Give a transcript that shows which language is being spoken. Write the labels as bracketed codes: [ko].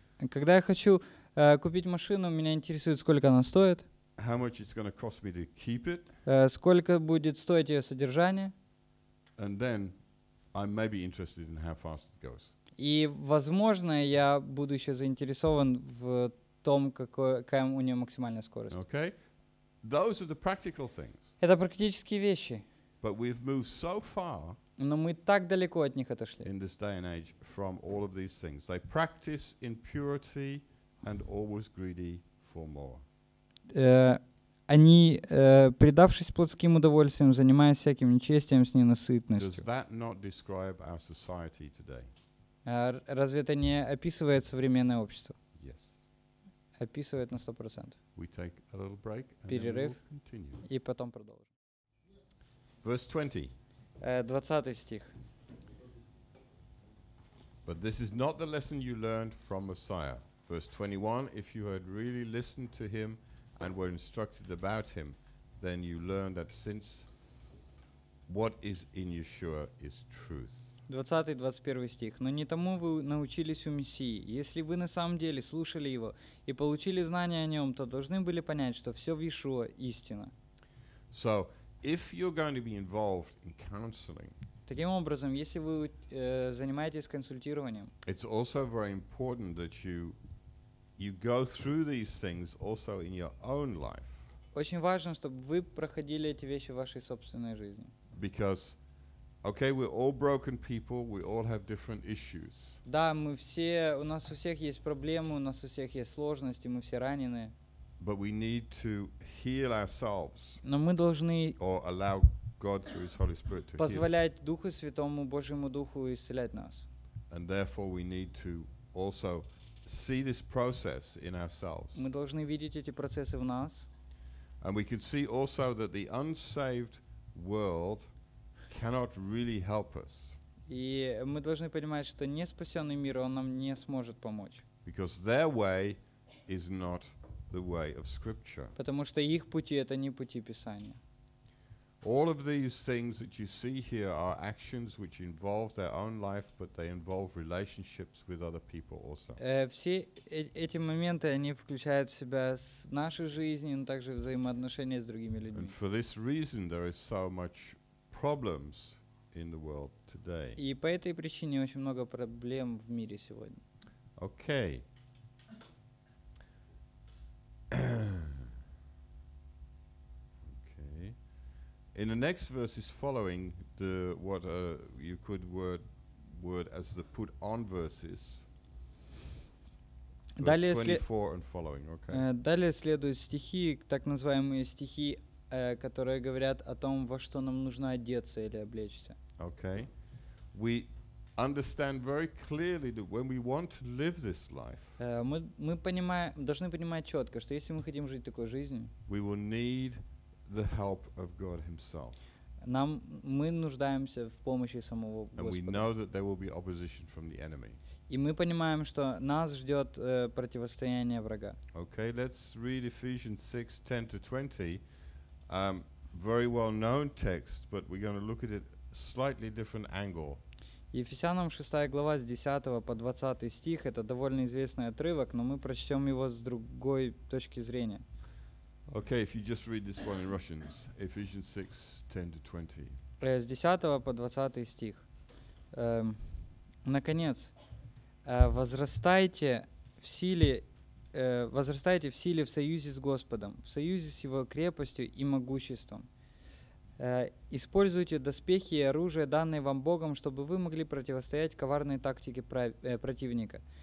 [ru] Когда я хочу купить машину, меня интересует, сколько она стоит. [en] How much it's gonna cost me to keep it. [ru] Сколько будет стоить ее содержание. [en] And then I'm maybe interested in how fast it goes. [ru] И, возможно, я буду еще заинтересован в том, какая у нее максимальная скорость. [en] Okay. Those are the practical things. [ru] Это практические вещи. [en] But we've moved so far. [ru] Но мы так далеко от них отошли. [en] In this day and age, from all of these things, they practice impurity and always greedy for more. [ru] Они, предавшись плотским удовольствиям, занимаясь всяким нечестием с ненасытностью. [en] Does that not describe our society today? [ru] Разве это не описывает современное общество? [en] Yes. [ru] Описывает на 100%. [en] We take a little break, [ru] перерыв, [en] and then we'll continue. [ru] И потом продолжим. [en] Verse 20. [ru] 20 стих. [en] But this is not the lesson you learned from Messiah. Verse 21. If you had really listened to him and were instructed about him, then you learned that since what is in Yeshua is truth. [ru] 20-21 стих. Но не тому вы научились у Мессии. Если вы на самом деле слушали его и получили знание о нем, то должны были понять, что все в Иешуа истина. [en] So, if you're going to be involved in counseling, [ru] таким образом, если вы занимаетесь консультированием, [en] it's also very important that you go through these things also in your own life. [ru] Очень важно, чтобы вы проходили эти вещи в вашей собственной жизни. [en] Because okay, we're all broken people, we all have different issues. [ru] Да, мы все, у нас у всех есть проблемы, у нас у всех есть сложности, мы все ранены. [en] But we need to heal ourselves. [ru] Но мы должны [en] or allow God through his Holy Spirit to [ru] позволять [en] heal. [ru] Духу Святому, Божьему Духу исцелять нас. [en] And therefore we need to also see this process in ourselves. [ru] Мы должны видеть эти процессы в нас. [en] And we can see also that the unsaved world cannot really help us. [ru] И мы должны понимать, что неспасенный мир, он нам не сможет помочь. [en] Because their way is not the way of Scripture. [ru] Потому что их пути — это не пути Писания. [en] All of these things that you see here are actions which involve their own life, but they involve relationships with other people also. [ru] Все эти моменты, они включают в себя нашу жизнь, но также взаимоотношения с другими людьми. [en] And for this reason, there is so much problems in the world today. [ru] И по этой причине очень много проблем в мире сегодня. [en] Okay. Okay. In the next verses following the what you could word as the put on verses. [ru] Далее [en] 24 and following, okay. [ru] Далее следуют стихи, так называемые стихи, которые говорят о том, во что нам нужно одеться или облечься. [en] Okay. We understand very clearly that when we want to live this life. [ru] Мы понимаем, должны понимать четко, что если мы хотим жить такой жизнью, [en] we will need the help of God himself. [ru] Нам мы нуждаемся в помощи самого Господа. [en] And we know that there will be opposition from the enemy. [ru] И мы понимаем, что нас ждет противостояние врага. [en] Okay, let's read Ephesians 6, 10 to 20. Very well known text, but we're going to look at it slightly different angle. [ru] Ефесянам 6 глава с 10 по 20 стих — это довольно известный отрывок, но мы прочтем его с другой точки зрения. [en] Okay, if you just read this one in Russians, Ephesians 6, 10 to 20. [ru] С 10 по 20 стих. Наконец, возрастайте в силе в союзе с Господом, в союзе с Его крепостью и могуществом. Используйте доспехи и оружие, данные вам Богом, чтобы вы могли противостоять коварной тактике противника.